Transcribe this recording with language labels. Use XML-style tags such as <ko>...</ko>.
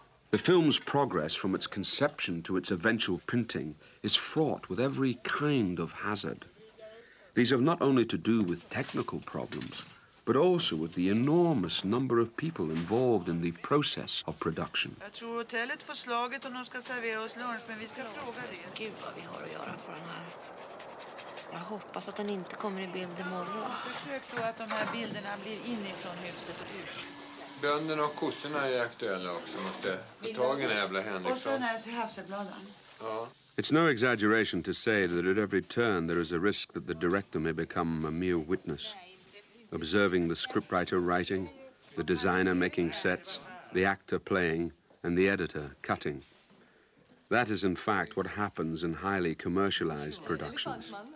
<en>The film's progress from its conception to its eventual printing is fraught with every kind of hazard. These have not only to do with technical problems, but also with the enormous number of people involved in the process of production.</en> <sv>Jag tror hotellet får slaget om de ska servera oss lunch, men vi ska fråga det. Gud vad vi har att göra på den här. Jag hoppas att den inte kommer i bild imorgon. Försök då att de här bilderna blir inifrån huset och ut. Bönderna och kossorna är aktuella också. Måste få tag i den jävla Henriksson. Och så den här hasselbladan. Ja.</sv> <en>It's no exaggeration to say that at every turn there is a risk that the director may become a mere witness. Observing the scriptwriter writing, the designer making sets, the actor playing, and the editor cutting. That is, in fact, what happens in highly commercialized productions.</en>